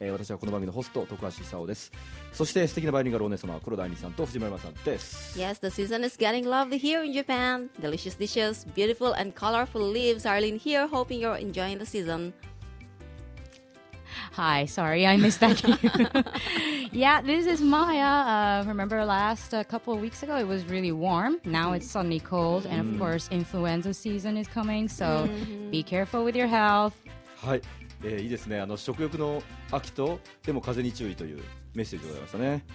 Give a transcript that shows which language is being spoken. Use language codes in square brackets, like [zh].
[ja] 私はこの番組のホスト徳橋久男です。そして素敵なバイオリンガルお姉様黒田愛美さんと藤丸さんです。 [en] Yes, the season is getting lovely here in Japan. Delicious dishes, beautiful and colorful leaves are in here. Hoping you're enjoying the season Hi, sorry, I missed that. Yeah, this is Maya. Remember couple of weeks ago, it was really warm. Now it's suddenly cold. Mm-hmm. And of course, influenza season is coming. So be careful with your health. [ja] はい、いいですね。食欲の秋と、でも風に注意というメッセージでございましたね。